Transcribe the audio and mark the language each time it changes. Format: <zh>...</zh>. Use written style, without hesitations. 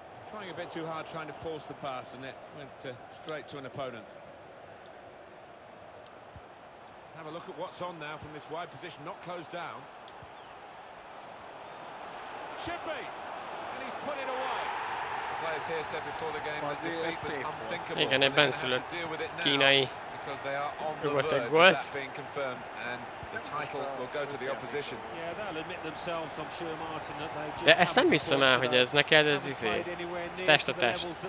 <en>Trying a bit too hard, trying to force the pass, and it went straight to an opponent. Have a look at what's on now from this wide position, not closed down. Chippy! And he's put it away. The players here said before the game that the defeat was unthinkable.</en> <hu>Igen, egy benszülött kínai.</hu> <en>Because they are on the verge of that being confirmed, and the title will go to the opposition. Yeah, they'll admit themselves, I'm sure, Martin, that they just.</en> <hu>De ezt nem hiszem el, hogy ez neked ez izé. Test a test.</hu>